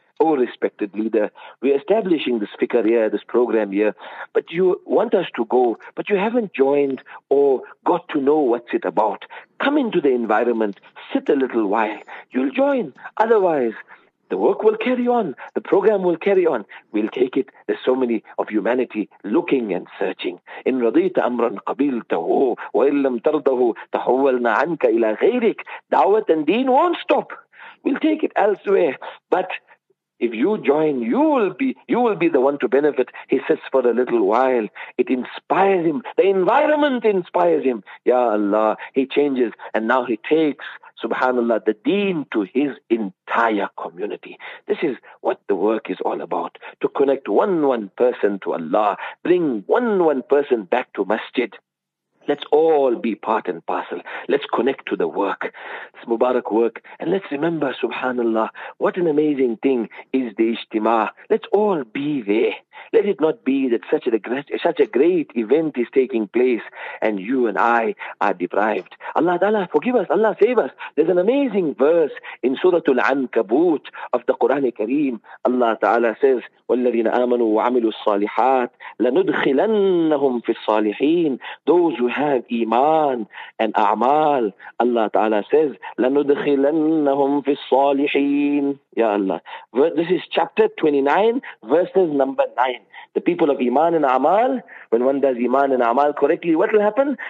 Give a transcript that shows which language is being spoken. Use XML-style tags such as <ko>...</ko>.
<en>Oh, respected leader, we're establishing this fikr here, this program here, but you want us to go, but you haven't joined or got to know what's it about. Come into the environment. Sit a little while. You'll join. Otherwise, The work will carry on. The program will carry on. We'll take it. There's so many of humanity looking and searching.</en> <ar>إن رضيت أمرا قبلته وإن لم ترضه تحولنا عنك إلى غيرك. دعوة الدين</ar> <en>won't stop. We'll take it elsewhere. But if you join, you will be the one to benefit. He sits for a little while. It inspires him. The environment inspires him. Ya Allah, he changes. And now he takes, subhanAllah, the deen to his entire community. This is what the work is all about. To connect one person to Allah. Bring one person back to masjid. Let's all be part and parcel. Let's connect to the work, this Mubarak work. And let's remember, subhanAllah, what an amazing thing is the Ijtima'. Let's all be there. Let it not be that such a great event is taking place and you and I are deprived. Allah Ta'ala, forgive us. Allah, save us. There's an amazing verse in Surah Al-Ankabut of the Qur'an Kareem. Allah Ta'ala says,</en> <ar>وَالَّذِينَ آمَنُوا وَعَمِلُوا الصَّالِحَاتِ لَنُدْخِلَنَّهُمْ فِي الصَّالِحِينَ.</ar> <en>Those who have iman and a'mal, Allah Ta'ala says,</en> <ar>لَنُدْخِلَنَّهُمْ فِي الصَّالِحِينَ.</ar> <en>Ya Allah. This is chapter 29, verses number 9. The people of iman and a'mal, when one does iman and a'mal correctly, what will happen?</en>